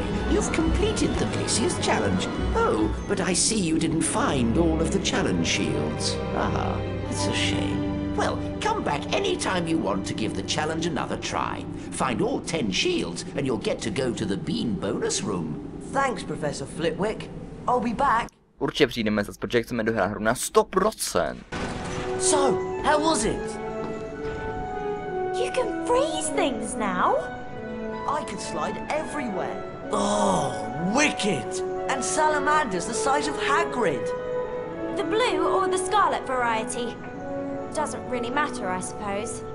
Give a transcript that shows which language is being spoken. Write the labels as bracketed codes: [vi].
[en] You've completed the Pixie's challenge. Oh, but I see you didn't find all of the challenge shields. Ah, that's a shame. Well, come back anytime you want to give the challenge another try. Find all 10 shields and you'll get to go to the bean bonus room. Thanks, Professor Flitwick. I'll be back. [cs] Určitě přijdeme zase, protože chceme dohrát hru na 100%. [en] So, how was it? You can freeze things now. I can slide everywhere. Oh, wicked! And salamanders the size of Hagrid! The blue or the scarlet variety? Doesn't really matter, I suppose.